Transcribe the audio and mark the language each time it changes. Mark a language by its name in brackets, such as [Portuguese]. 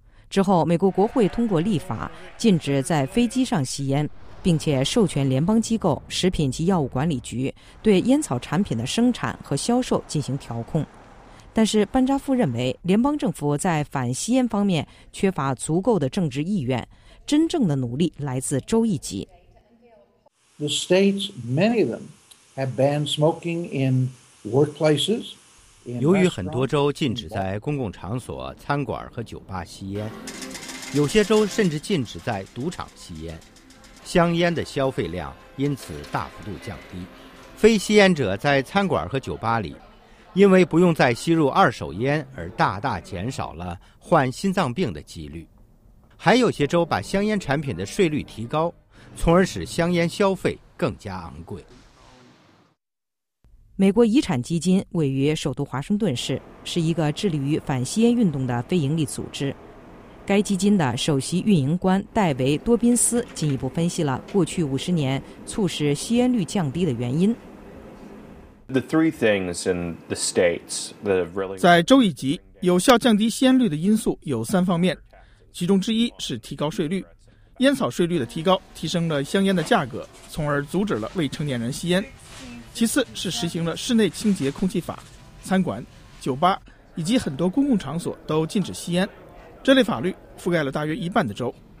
[Chinese] 之后，美国国会通过立法禁止在飞机上吸烟，并且授权联邦机构食品及药物管理局对烟草产品的生产和销售进行调控。但是班扎夫认为，联邦政府在反吸烟方面缺乏足够的政治意愿，真正的努力来自州一级。 [English] The states, many of them, have banned smoking in workplaces. [Chinese] 由于很多州禁止在公共场所、餐馆和酒吧吸烟，有些州甚至禁止在赌场吸烟，香烟的消费量因此大幅度降低。非吸烟者在餐馆和酒吧里，因为不用再吸入二手烟而大大减少了患心脏病的几率。还有些州把香烟产品的税率提高，从而使香烟消费更加昂贵。美国遗产基金位于首都华盛顿市，是一个致力于反吸烟运动的非营利组织。该基金的首席运营官戴维·多宾斯进一步分析了过去50年促使吸烟率降低的原因。 [English] The three things in the states that have really [Chinese] 在州一级有效降低吸烟率的因素有三方面，其中之一是提高税率。烟草税率的提高提升了香烟的价格，从而阻止了未成年人吸烟。其次是实行了室内清洁空气法，餐馆、酒吧以及很多公共场所都禁止吸烟，这类法律覆盖了大约一半的州。